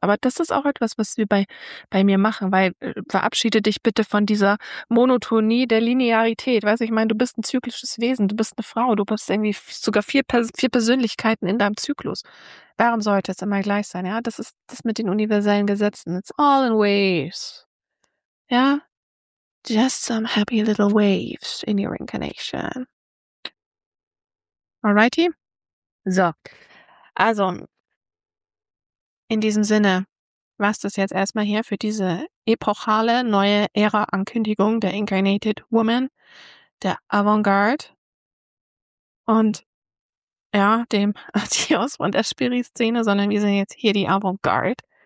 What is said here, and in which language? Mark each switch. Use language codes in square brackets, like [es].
[de] Aber das ist auch etwas, was wir bei mir machen, weil verabschiede dich bitte von dieser Monotonie der Linearität. Weißt du, ich meine, du bist ein zyklisches Wesen, du bist eine Frau, du bist irgendwie sogar vier Persönlichkeiten in deinem Zyklus. Warum sollte es immer gleich sein? Ja, das ist das mit den universellen Gesetzen. [en] It's all in waves. [de] Ja? [en] Just some happy little waves in your incarnation. Alrighty? So. [de] Also, in diesem Sinne, war es das jetzt erstmal hier für diese epochale neue Ära-Ankündigung der Incarnated Woman, der Avantgarde und ja, dem Adios von der Spiri-Szene, sondern wir sind jetzt hier die Avantgarde.